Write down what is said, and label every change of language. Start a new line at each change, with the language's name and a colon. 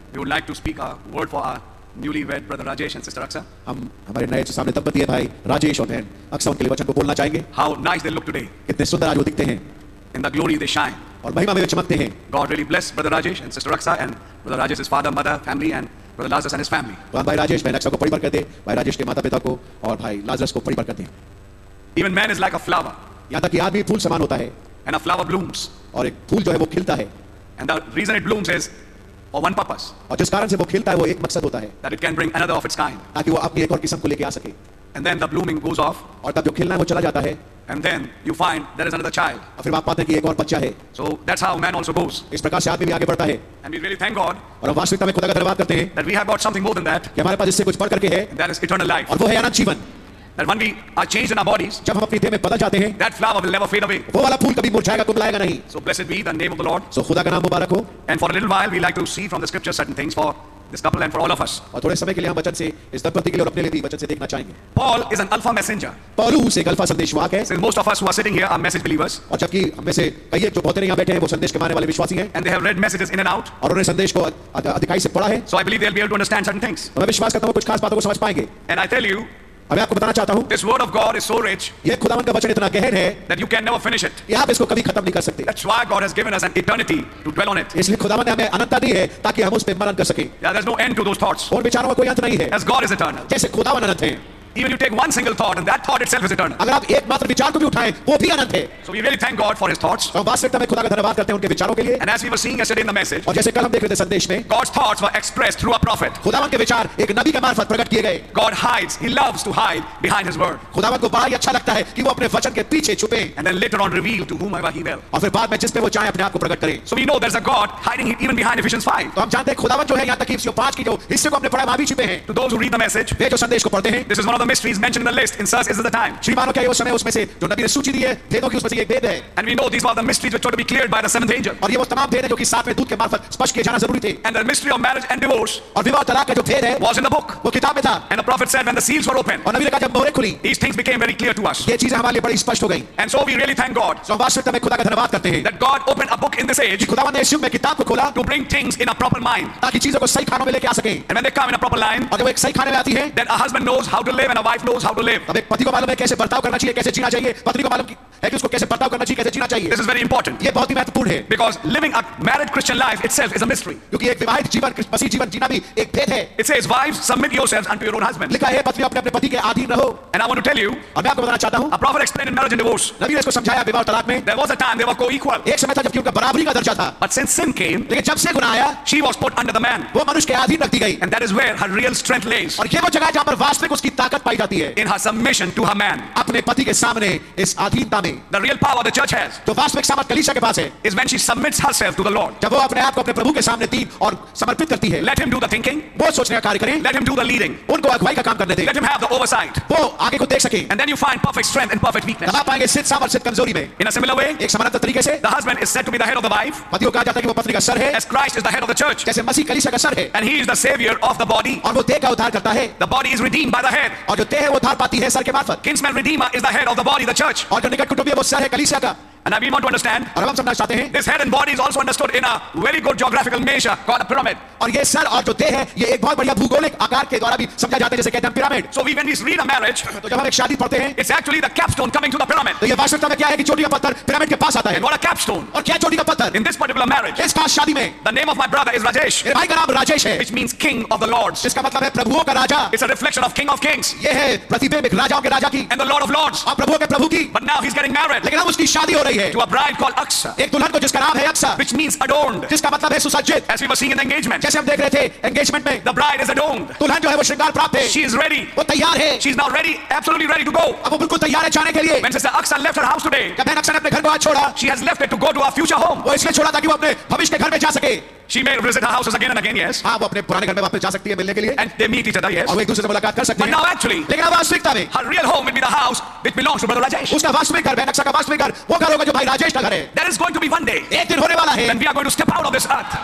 English: We would like to speak a word for our newlywed brother Rajesh and sister Aksha.
Hindi: हम हमारे नए जो सामने दंपति है भाई राजेश और बहन अक्षा, उनके लिए वचन को बोलना चाहेंगे।
English: How nice they look today.
Hindi: कितने सुंदर आज वो दिखते हैं।
English: In the glory they shine.
Hindi: और महिमा में वे चमकते हैं।
English: God really bless brother Rajesh and sister Aksha and brother Rajesh's father, mother, family and brother Lazarus and his family.
Hindi: तो भाई राजेश बहन अक्षा को बड़ी बरकत दे, भाई राजेश के माता पिता को और भाई लाजरस को बड़ी बरकत दे।
English: Even man is like a flower.
Hindi: यहाँ तक कि आदमी फूल समान होता है।
English: And a flower blooms.
Hindi: और एक फूल जो है वो खिलता है।
English: And the reason it blooms is one purpose.
Hindi: और जिस कारण से वो खिलता है वो एक मकसद होता है।
English: That it can bring another of its kind.
Hindi: ताकि वो अपनी एक और किस्म को लेके आ सके।
English: And then the blooming goes off.
Hindi: और तब जो खिलना है वो चला जाता है।
English: And then you find there is another child.
Hindi: और फिर आप पाते हैं कि एक और बच्चा है।
English: So that's how man also goes.
Hindi: इस प्रकार से आदमी भी आगे बढ़ता है।
English: And we really thank God.
Hindi: और हम वास्तविकता में खुदा का धन्यवाद करते हैं।
English: That we have got something more than that.
Hindi: कि हमारे पास इससे कुछ बढ़कर के है।
English: And that is eternal life.
Hindi: और वो है अनंत जीवन।
English: That when we are changed in our bodies,
Hindi: जब हम अपनी देह में बदल जाते हैं,
English: that flower will never fade away.
Hindi: वो वाला फूल कभी मुरझाएगा, कुमलाएगा नहीं.
English: So blessed be the name of the Lord.
Hindi: So खुदा का नाम मुबारक हो.
English: And for a little while, we like to see from the scriptures certain things for this couple and for all of us.
Hindi: और थोड़े समय के लिए हम वचन से इस दंपति के लिए और अपने लिए भी वचन से देखना चाहेंगे.
English: Paul is an alpha messenger.
Hindi: पौलुस एक अल्फा संदेशवाहक है.
English: So most of us who are sitting here are message believers.
Hindi: और जबकि हम में से कई एक जो बहुत यहाँ बैठे हैं, वो संदेश के माने वाले विश्वासी हैं.
English: And they have read messages in and out.
Hindi: और उन्हें संदेश को अधिकाई से पढ़ा है.
English: So I believe they'll be able to understand certain things.
Hindi: मैं विश्वास करता हूँ कुछ खास बातों को समझ पाएंगे.
English: And I tell you.
Hindi: अब मैं आपको बताना चाहता हूँ।
English: This word of God is so rich.
Hindi: ये खुदावंत का वचन इतना गहन है।
English: That you can never finish it.
Hindi: आप इसको कभी खत्म नहीं कर सकते।
English: That's why God has given us an eternity to dwell on it.
Hindi: इसलिए खुदावंत ने हमें अनंतता दी है ताकि हम उस पे मनन कर सकें।
English: Yeah, there's no end to those thoughts.
Hindi: और विचारों का कोई अंत नहीं है।
English: As God is eternal.
Hindi: जैसे खुदावंत अनंत हैं।
English: Even you take one single thought, and that thought itself is eternal.
Hindi: अगर आप एक मात्र विचार को भी उठाएं, वो भी अनंत है.
English: So we really thank God for His thoughts.
Hindi: और वास्तविकता में खुदा का धन्यवाद करते हैं उनके विचारों के लिए.
English: And as we were seeing yesterday in the message,
Hindi: और जैसे कल हम देख रहे थे संदेश में,
English: God's thoughts were expressed through a prophet.
Hindi: खुदावन के विचार एक नबी के मार्फत प्रकट किए गए.
English: God hides. He loves to hide behind His word.
Hindi: खुदावन को बड़ा अच्छा लगता है कि वो अपने वचन के पीछे छुपे.
English: And then later on revealed to whomever He will.
Hindi: और फिर बाद में जिसपे वो चाहे अपने आप को प्रकट करे.
English: So we know there's a God hiding even behind Ephesians 5.
Hindi: तो हम जानते हैं खुदावन जो है यहाँ तक कि पांच की जो हिस्से को अपने पढ़ा वहाँ भी छुपे हैं.
English: To those who read the message,
Hindi: वे जो संदेश को पढ़ते हैं,
English: this is one of the mysteries mentioned in the list. In such is the time.
Hindi: श्रीमानो क्या है उस समय उसमें से जो नबी ने सूची दी है भेदों की उसमें से एक भेद है.
English: And we know these are the mysteries which are to be cleared by the seventh angel.
Hindi: और ये वो तमाम भेद है जो कि सातवें दूत के मार्फत स्पष्ट किए जाना जरूरी थे.
English: And the mystery of marriage and divorce.
Hindi: और विवाह तलाक का जो भेद है
English: was in the book.
Hindi: वो किताब में था.
English: And the prophet said when the seals were opened.
Hindi: और नबी ने कहा जब मोहरें खुली.
English: These things became very clear to us.
Hindi: ये चीजें हमारे लिए बड़ी स्पष्ट हो गई.
English: And so we really thank God.
Hindi: तो वास्तविकता में खुदा का धन्यवाद करते हैं.
English: That God opened a book in this age.
Hindi: खुदा ने इस युग में किताब को खोला.
English: To bring things in a proper mind.
Hindi: ताकि चीजों को सही खानों में लेके आ सके.
English: And when they come in a proper line.
Hindi: और जब एक सही खाने में आती है.
English: Then a husband knows how to live and a wife knows how to live.
Hindi: अब एक पति को मालूम है कैसे बर्ताव करना चाहिए, कैसे जीना चाहिए. पत्नी को मालूम है कि उसको कैसे बर्ताव करना चाहिए, कैसे जीना चाहिए.
English: This is very important.
Hindi: ये बहुत ही महत्वपूर्ण है.
English: Because living a married Christian life itself is a mystery.
Hindi: क्योंकि एक विवाहित जीवन, मसीह जीवन जीना भी एक भेद है.
English: It says, wives, submit yourselves unto your own husband.
Hindi: लिखा है पत्नी अपने अपने पति के अधीन रहो.
English: And I want to tell you.
Hindi: और मैं आपको बताना चाहता हूँ.
English: A prophet explained in marriage and divorce.
Hindi: नबी ने इसको समझाया विवाह तलाक में.
English: There was a time they were co-equal.
Hindi: एक समय था जबकि उनका बराबरी का दर्जा था.
English: But since sin came.
Hindi: लेकिन जब से गुनाह आया.
English: She was put under the man.
Hindi: वो मनुष्य के अधीन रखी गई.
English: And that is where her real strength lays.
Hindi: और ये वो जगह जहाँ पर वास्तविक उसकी ताकत पाई जाती है.
English: In her submission to her man.
Hindi: अपने पति के सामने इस अधीनता में.
English: The real power the church has.
Hindi: तो वास्तविक सामर्थ्य कलीसिया के पास है.
English: Is when she submits herself to the Lord.
Hindi: जब वो अपने आप को अपने प्रभु के सामने दी और समर्पित करती है.
English: Let him do the thinking.
Hindi: वो सोचने का कार्य करें.
English: Let him do the leading.
Hindi: उनको अगुवाई का काम करने दें.
English: Let him have the oversight.
Hindi: वो आगे को देख सके.
English: And then you find perfect strength and perfect weakness.
Hindi: तब आप पाएंगे सिद्ध सामर्थ्य सिद्ध कमजोरी में.
English: In a similar way.
Hindi: एक समान तरीके से.
English: The husband is said to be the head of the wife.
Hindi: पति को कहा जाता है कि वो पत्नी का सर है.
English: As Christ is the head of the church.
Hindi: जैसे मसीह कलीसिया का सर है.
English: And he is the savior of the body.
Hindi: और वो देह का उद्धार करता है.
English: The body is redeemed by the head.
Hindi: और जो देह है वो उद्धार पाती है सर के मार्फत.
English: Kinsman redeemer is the head of the body, the church.
Hindi: और जो निकट कुटुंबी वो सर है कलीसिया का.
English: And we want to understand.
Hindi: और हम समझना चाहते हैं.
English: This head and body is also understood in a very good geographical measure called a pyramid.
Hindi: और ये सर और जो देह है ये एक बहुत बढ़िया भूगोलिक आकार के द्वारा भी समझा जाता है जैसे कहते हैं pyramid.
English: So we when we read a marriage.
Hindi: तो जब हम एक शादी पढ़ते हैं.
English: It's actually the capstone coming to the pyramid.
Hindi: तो ये वास्तविकता में क्या है कि चोटी का पत्थर पिरामिड के पास आता है.
English: And what a capstone.
Hindi: और क्या चोटी का पत्थर.
English: In this particular marriage.
Hindi: इस खास शादी में.
English: The name of my brother is Rajesh.
Hindi: मेरे भाई का नाम राजेश है.
English: Which means king of the lords.
Hindi: इसका मतलब है प्रभुओं का राजा.
English: It's a reflection of king of kings.
Hindi: ये है प्रतिबिंब राजाओं के राजा की.
English: And the lord of lords.
Hindi: और प्रभुओं के प्रभु की.
English: But now he's getting married.
Hindi: लेकिन अब उसकी शादी हो रही है.
English: To a bride called Aksha.
Hindi: एक दुल्हन को जिसका नाम है अक्षा.
English: Which means adorned.
Hindi: जिसका मतलब है सुसज्जित.
English: As we were seeing in the engagement.
Hindi: जैसे हम देख रहे थे engagement में.
English: The bride is adorned.
Hindi: दुल्हन जो है वो श्रृंगार प्राप्त है.
English: She is ready.
Hindi: वो तैयार है.
English: She is now ready, absolutely ready to go.
Hindi: अब वो बिल्कुल तैयार है जाने के लिए.
English: When sister Aksha left her house today.
Hindi: कब अक्षा ने अपने घर को आज छोड़ा.
English: She has left it to go to her future home.
Hindi: वो इसलिए छोड़ा ताकि वो अपने भविष्य के घर में जा सके.
English: She may visit her houses again and again, yes.
Hindi: हाँ, वो अपने पुराने घर में वापस जा सकती है मिलने के लिए.
English: And they meet each other, yes.
Hindi: और एक दूसरे से मुलाकात कर सकते हैं.
English: But now actually,
Hindi: लेकिन अब वास्तविकता में,
English: her real home will be the house which belongs to Brother Rajesh.
Hindi: उसका वास्तविक घर, बहन अक्षा का वास्तविक घर, वो घर होगा जो भाई राजेश का घर है.
English: There is going to be one day.
Hindi: एक दिन होने वाला है.
English: When we are going to step out of this earth.